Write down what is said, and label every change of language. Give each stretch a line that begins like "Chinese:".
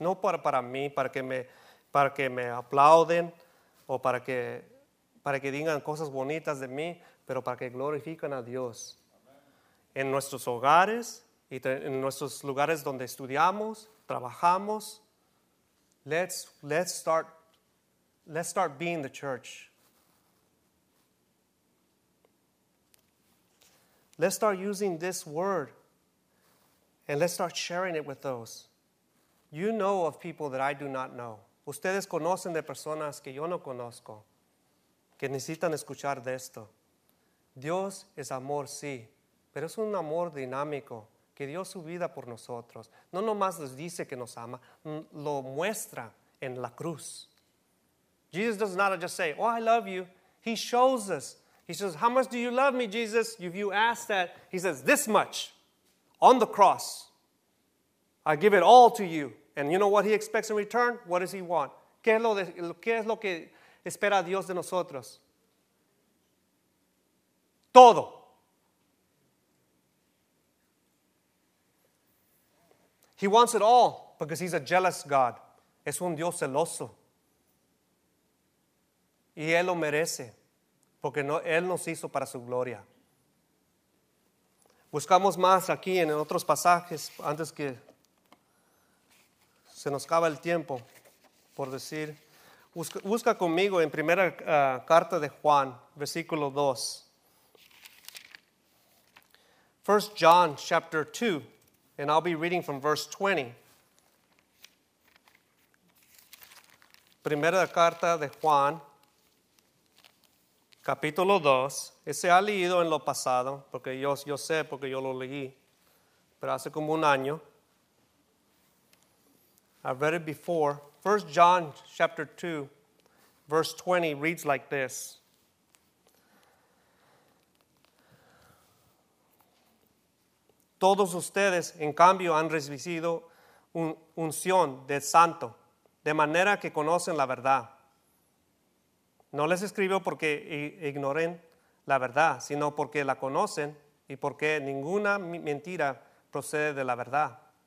Spanish: No para mí, para que me aplauden o para que digan cosas bonitas de mí, pero para que glorifiquen a Dios. En nuestros hogares y en nuestros lugares donde estudiamos, trabajamos,
English: Let's start being the church. Let's start using this word and let's start sharing it with those. You know of people that I do not know.
Spanish: Ustedes conocen de personas que yo no conozco, que necesitan escuchar de esto. Dios es amor, sí, pero es un amor dinámico que dio su vida por nosotros. No nomás nos dice que nos ama, lo muestra en la cruz.
English: Jesus does not just say, oh, I love you. He shows us. He says, how much do you love me, Jesus? If you ask that, He says, this much on the cross. I give it all to you. And you know what He expects in return? What does He want?
Spanish: ¿Qué es lo que espera Dios de nosotros? todo.
English: He wants it all because he's a jealous God.
Spanish: Es un Dios celoso. Y él lo merece porque no, él nos hizo para su gloria. Buscamos más aquí en otros pasajes antes que se nos acaba el tiempo por decir. Busca conmigo en primera carta de Juan, versículo 2.
English: 1 John chapter 2, and I'll be reading from verse 20.
Spanish: Primera carta de Juan, capítulo 2. Ese ha leído en lo pasado, porque yo sé, porque yo lo leí, pero hace como un año.
English: I've read it before. 1 John chapter 2, verse 20 reads like this.
Spanish: Todos ustedes, en cambio, han recibido unción del santo, de manera que conocen la verdad. No les escribo porque ignoren la verdad, sino porque la conocen y porque ninguna mentira procede de la verdad.